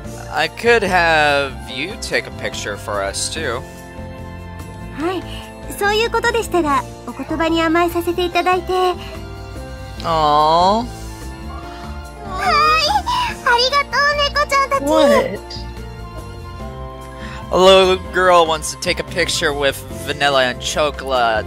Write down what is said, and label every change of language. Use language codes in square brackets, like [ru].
[en] I could have you take a picture for us too. [ja] はい、そういうことでしたら お言葉に甘えさせていただいて。 Aww. はい、ありがとう猫ちゃんたち。 [en] A little girl wants to take a picture with vanilla and chocolate.